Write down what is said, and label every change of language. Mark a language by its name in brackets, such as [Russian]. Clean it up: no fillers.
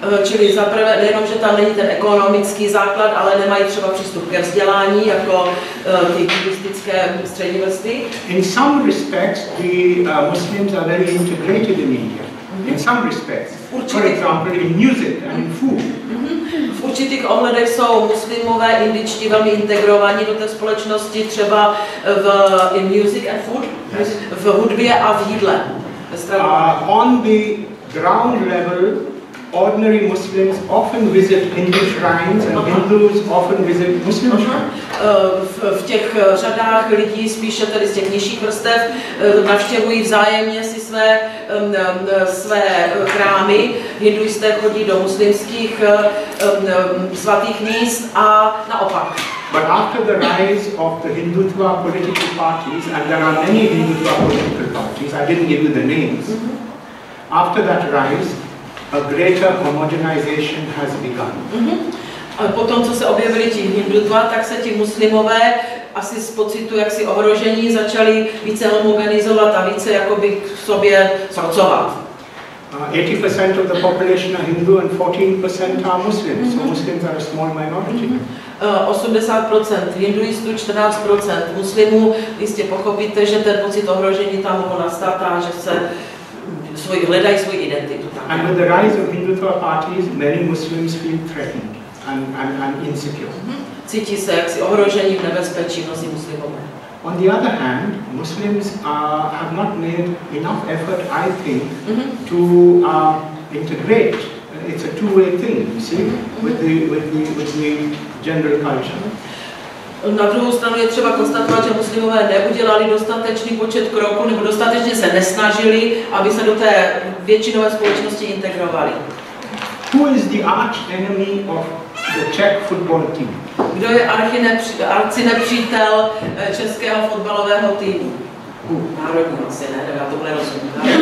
[Czech] Čili za prvé, nejenom, že tam není ten ekonomický základ, ale nemají třeba přístup ke vzdělání, jako ty turistické střední vrsty. [English] In some respects, the Muslims are very integrated in India. In some respects. [Czech] Určitě. [English] For example, in music and in food. [Czech] V určitých ohledech jsou muslimové indičtí velmi integrovaní do té společnosti, třeba v [English] in music and food, [Czech] v hudbě a v jídle. [English] On the ground level, ordinary Muslims often visit Hindu shrines, and Hindus often visit Muslim shrines. [Czech] V těch řadách lidí spíše tedy z těch nižších vrstev navštěvují vzájemně si své chrámy. Hinduisté chodí do muslimských svatých míst a naopak. [English] But after the rise of the Hindutva political parties, and there are many Hindutva political parties, I didn't give you the names, after that rise, a greater homogenization has begun. [Czech] A potom, co se objevili ti hindutva, tak se ti muslimové asi z pocitu jaksi ohrožení začali více homogenizovat a více jakoby k sobě srocovat. [English] 80% of the population are Hindu and 14% are Muslims. So Muslims are a small minority. [Czech] 80% hinduistů, 14% muslimů. Jistě pochopíte, že ten pocit ohrožení tam mohl nastat a že se hledají svoji identitu. [English] And with the rise of Hindu parties, many Muslims feel threatened and insecure. [Czech] Cítí se jaksi ohrožení v nebezpečí mnozí muslimové. [English] On the other hand, Muslims have not made enough effort, I think, to integrate. It's a two-way thing, you see, with the general culture. [Czech] Na druhou stranu je třeba konstatovat, že muslimové neudělali dostatečný počet kroků nebo dostatečně se nesnažili, aby se do té většinové společnosti integrovali. [English] Who is the arch enemy of the Czech football team? [Czech] Kdo je arcinepřítel českého fotbalového týmu? Národní asi ne, já to nerozumím.